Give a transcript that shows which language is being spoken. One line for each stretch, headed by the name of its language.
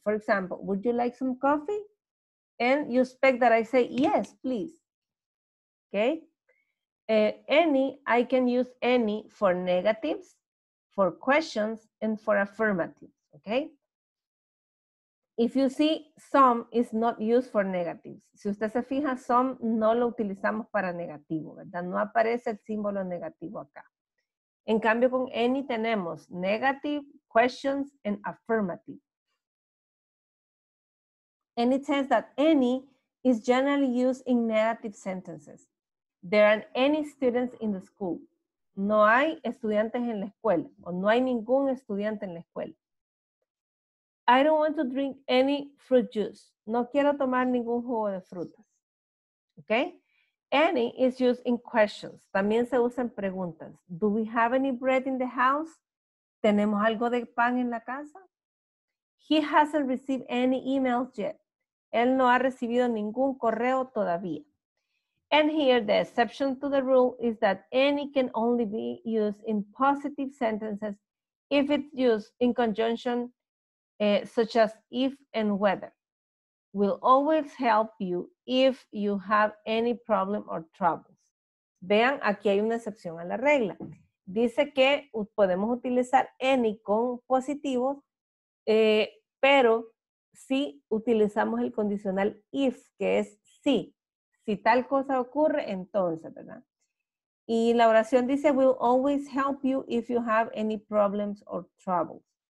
English: For example, would you like some coffee? And you expect that I say, yes, please. Okay. Any, I can use any for negatives, for questions, and for affirmatives. Okay. If you see, some is not used for negatives.
Spanish: Si usted se fija, some no lo utilizamos para negativo, ¿verdad? No aparece el símbolo negativo acá. En cambio, con any tenemos
English: negative, questions, and affirmative. And it says that any is generally used in negative sentences. There aren't any students in the school.
Spanish: No hay estudiantes en la escuela, o no hay ningún estudiante en la escuela.
English: I don't want to drink any fruit juice.
Spanish: No quiero tomar ningún jugo de frutas.
English: Okay? Any is used in questions.
Spanish: También se usa en preguntas.
English: Do we have any bread in the house?
Spanish: ¿Tenemos algo de pan en la casa?
English: He hasn't received any emails yet.
Spanish: Él no ha recibido ningún correo todavía.
English: And here the exception to the rule is that any can only be used in positive sentences if it's used in conjunction such as if and whether. Will always help you if you have any problem or troubles.
Spanish: Vean, aquí hay una excepción a la regla. Dice que podemos utilizar any con positivo, pero si utilizamos el condicional if, que es si. Si tal cosa ocurre, entonces, ¿verdad? Y la oración dice,
English: will always help you if you have any problems or troubles.